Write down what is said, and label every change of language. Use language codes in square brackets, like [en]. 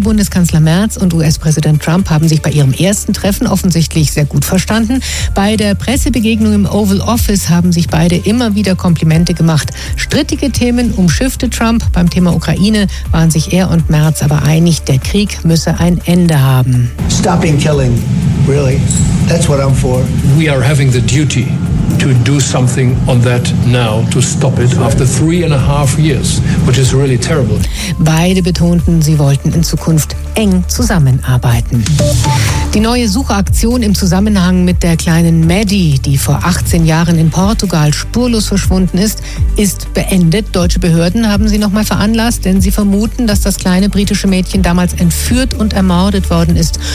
[de] Bundeskanzler Merz und US-Präsident Trump haben sich bei ihrem ersten Treffen offensichtlich sehr gut verstanden. Bei der Pressebegegnung im Oval Office haben sich beide immer wieder Komplimente gemacht. Strittige Themen umschiffte Trump. Beim Thema Ukraine waren sich er und Merz aber einig, der Krieg müsse ein Ende haben. [en] Stopping killing, really? That's what I'm for. We are having the duty to do something on that now, to stop it after 3.5 years, which is really terrible. [de] Beide betonten, sie wollten in Zukunft eng zusammenarbeiten. Die neue Suchaktion im Zusammenhang mit der kleinen Maddie, die vor 18 Jahren in Portugal spurlos verschwunden ist, ist beendet. Deutsche Behörden haben sie nochmal veranlasst, denn sie vermuten, dass das kleine britische Mädchen damals entführt und ermordet worden ist.